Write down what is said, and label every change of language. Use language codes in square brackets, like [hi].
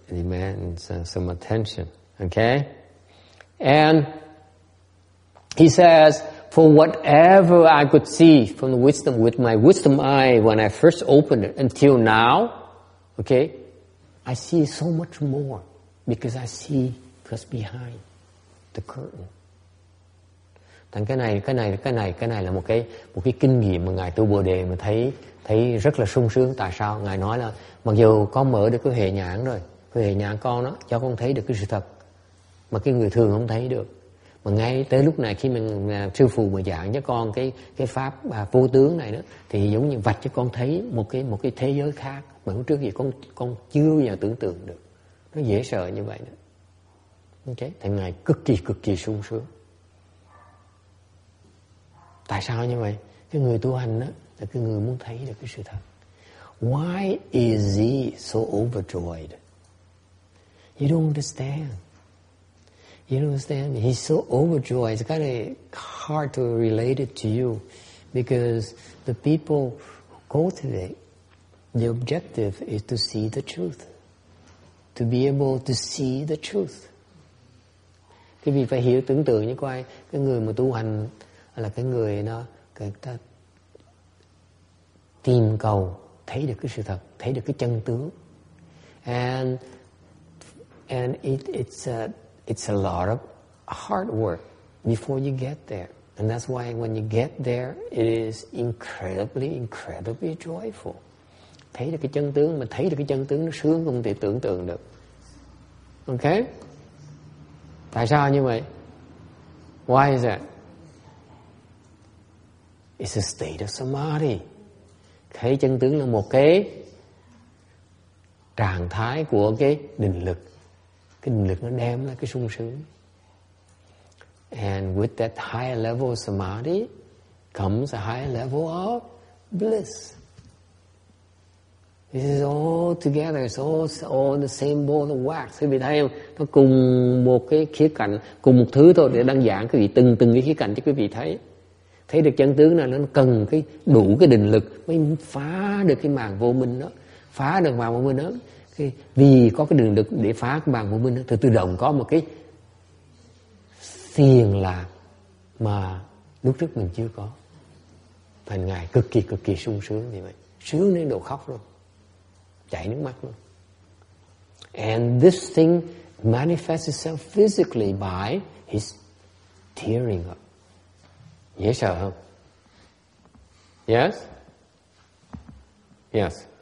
[en] It demands some attention. Okay? And he says, for whatever I could see from the wisdom, with my wisdom eye when I first opened it until now, okay, I see so much more because I see what's behind the curtain. [vi] Thành cái này là một cái kinh nghiệm mà Ngài Tu Bồ Đề mà thấy rất là sung sướng. Tại sao? Ngài nói là mặc dù con mở được cái hệ nhãn rồi, cái hệ nhãn con đó cho con thấy được cái sự thật mà cái người thường không thấy được. Mà ngay tới lúc này khi mình sư phụ mà giảng cho con cái pháp vô tướng này đó, thì giống như vạch cho con thấy một cái thế giới khác mà lúc trước thì con chưa bao giờ tưởng tượng được. Nó dễ sợ như vậy đó. Ok, thì Ngài cực kỳ sung sướng. Tại sao như vậy? Cái người tu hành đó là cái người muốn thấy được cái sự thật. [en] Why is he so overjoyed? You don't understand. You don't understand. He's so overjoyed. It's kind of hard to relate it to you because the people who cultivate, the objective is to see the truth, to be able to see the truth. [vi] Cái vị phải hiểu tưởng tượng như coi cái người mà tu hành là cái người nó cái ta tìm cầu thấy được cái sự thật, thấy được cái chân tướng. [en] And it's a lot of hard work before you get there. And that's why when you get there it is incredibly joyful. [vi] Thấy được cái chân tướng mà thấy được cái chân tướng nó sướng không thể tưởng tượng được. Okay? Tại sao như vậy? [en] Why is that? It's a state of samadhi. [vi] Thấy chân tướng là một cái trạng thái của cái định lực. Cái định lực nó đem lại cái sung sướng. [en] And with that higher level of samadhi comes a higher level of bliss. This is all together. It's all in the same ball of wax. [vi] Quý vị thấy không? Nó cùng một cái khía cạnh, cùng một thứ thôi để đăng giảng quý vị từng cái khía cạnh cho quý vị thấy. Thấy được chân tướng là nó cần cái đủ cái định lực mới phá được cái màn vô minh đó. Phá được màn vô minh đó. Cái vì có cái định lực để phá cái màn vô minh đó, thì tự động có một cái thiền lạc mà lúc trước mình chưa có. Thành Ngài cực kỳ sung sướng như vậy. Sướng đến độ khóc luôn. Chảy nước mắt luôn. [en] And this thing manifests itself physically by his tearing up. [vi] Dễ sợ không? [en] Yes? Yes.